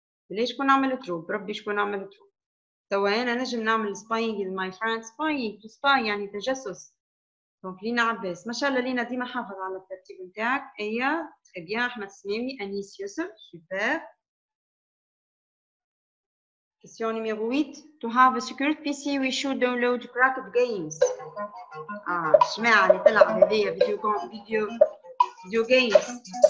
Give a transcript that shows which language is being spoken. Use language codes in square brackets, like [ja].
[ar] ليش كنا نعمل تروب؟ ربي شكون نعمل تروب؟ توا انا نجم نعمل [en] spying with my friends spying to spy [ar] يعني تجسس. دونك لينا عباس ما شاء الله لينا ديما حافظ على الترتيب نتاعك. ايا تري بيان احمد سميمي انيس يوسف سوبر. [fr] Question numéro 8. [en] To have a secure PC, we should download cracked games. [ar] Ah, شمعة اللي تلعب هذيا فيديو games.